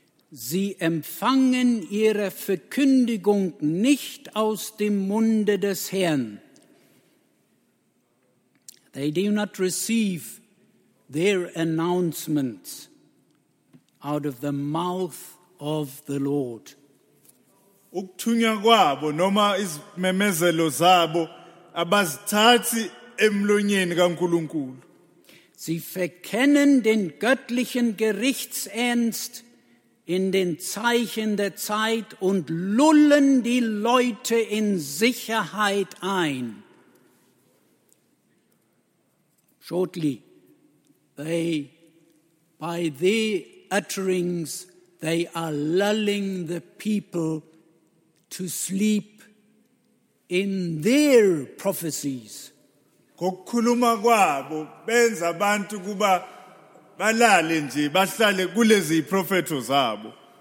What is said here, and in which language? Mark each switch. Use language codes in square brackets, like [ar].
[de] Sie empfangen ihre Verkündigung nicht aus dem Munde des Herrn. [en] They do not receive their announcements out of the mouth of the Lord. [zu] Ukuthunywa kwabo noma izimemezelo zabo abazithathi emlonyeni kaNkulunkulu. [de] Sie verkennen den göttlichen Gerichtsernst in den Zeichen der Zeit und lullen die Leute in Sicherheit ein. [en] Shortly, by their utterings, they are lulling the people to sleep in their prophecies. [zu] Kokukhuluma kwabo benza abantu kuba balale nje bahlale kulezi prophets zabo.